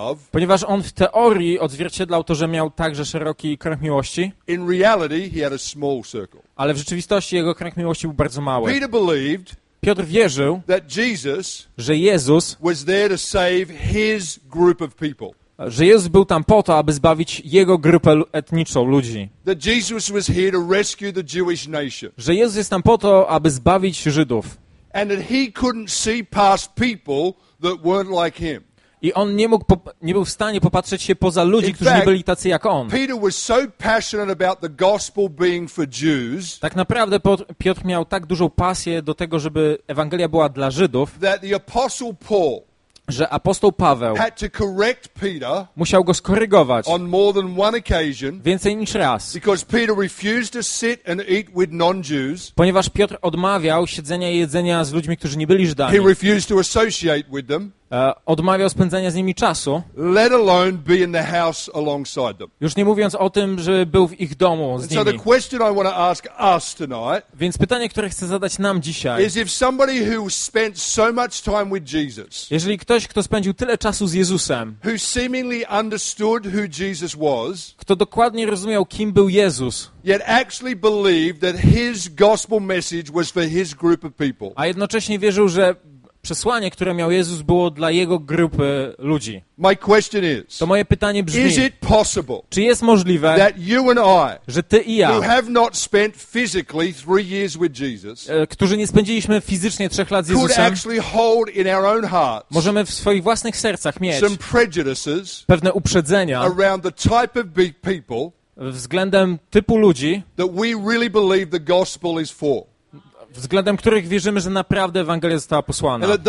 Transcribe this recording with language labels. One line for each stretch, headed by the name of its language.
Polish: Ponieważ on w teorii odzwierciedlał to, że miał także szeroki krąg miłości.
English: In reality, he had a small circle.
Polish: Ale w rzeczywistości jego krąg miłości był bardzo mały.
English: Peter believed,
Polish: Piotr wierzył,
English: that Jesus,
Polish: że Jezus
English: was there to save his group of people.
Polish: Że Jezus był tam po to, aby zbawić jego grupę etniczną ludzi.
English: That Jesus was here to rescue the Jewish nation.
Polish: Że Jezus jest tam po to, aby zbawić Żydów.
English: And that he couldn't see past people that weren't like him.
Polish: I on nie był w stanie popatrzeć się poza ludzi,
English: in
Polish: którzy
English: fact,
Polish: nie byli tacy jak on.
English: Peter was so passionate about the gospel being for Jews.
Polish: Tak naprawdę Piotr miał tak dużą pasję do tego, żeby Ewangelia była dla Żydów.
English: That the apostle Paul,
Polish: że apostoł Paweł
English: had to correct Peter
Polish: musiał go skorygować
English: on more than one occasion,
Polish: więcej niż raz,
English: because Peter refused to sit and eat with non-Jews,
Polish: ponieważ Piotr odmawiał siedzenia i jedzenia z ludźmi, którzy nie byli Żydami.
English: He refused to associate with them,
Polish: odmawiał spędzania z nimi czasu,
English: let alone be in the house alongside them.
Polish: Już nie mówiąc o tym, żeby był w ich domu z nimi.
English: So the question I want to ask us tonight,
Polish: więc pytanie, które chcę zadać nam dzisiaj,
English: is if somebody who spent so much time with Jesus,
Polish: jeżeli ktoś, kto spędził tyle czasu z Jezusem,
English: who seemingly understood who Jesus was,
Polish: kto dokładnie rozumiał, kim był Jezus,
English: yet actually believed that his gospel message was for his group of people,
Polish: a jednocześnie wierzył, że przesłanie, które miał Jezus, było dla jego grupy ludzi.
English: My question is,
Polish: to moje pytanie brzmi,
English: is it possible,
Polish: czy jest możliwe,
English: that you and I,
Polish: że ty i ja,
English: who have not spent physically 3 years with Jesus,
Polish: którzy nie spędziliśmy fizycznie 3 lat z Jezusem,
English: could actually hold in our own hearts,
Polish: możemy w swoich własnych sercach mieć
English: some prejudices,
Polish: pewne uprzedzenia
English: around the type of people,
Polish: względem typu ludzi,
English: that we really believe the gospel is for,
Polish: względem których wierzymy, że naprawdę Ewangelia została posłana.